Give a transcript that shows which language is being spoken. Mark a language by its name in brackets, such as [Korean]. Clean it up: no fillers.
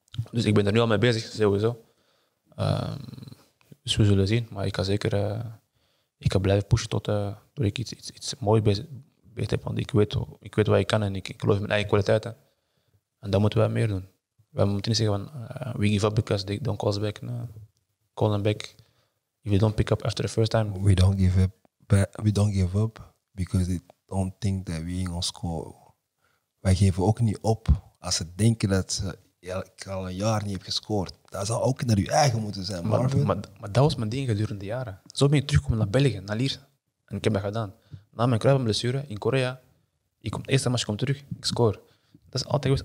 [Dutch] Dus ik ben er nu al mee bezig, sowieso. Dus we zullen zien. Maar ik kan zeker ik kan blijven pushen tot ik iets moois bezig heb. Want ik weet wat ik kan en ik geloof in mijn eigen kwaliteiten. En dan moeten we meer doen. We moeten niet zeggen van, [English] we give up because they don't call us back. No. Call them back. If you don't pick up after the first time. We don't give up. We don't give up because they don't think that we in our school. [Dutch] Wij geven ook niet op als ze denken dat ik al een jaar niet heb gescoord. Dat zou ook naar uw eigen moeten zijn, Marvin. Maar dat was mijn ding gedurende jaren. Zo ben ik teruggekomen naar België, naar Lier. En ik heb dat gedaan. Na mijn kruipenblessure in Korea, ik kom het eerste match terug, ik scoor. Dat is altijd geweest.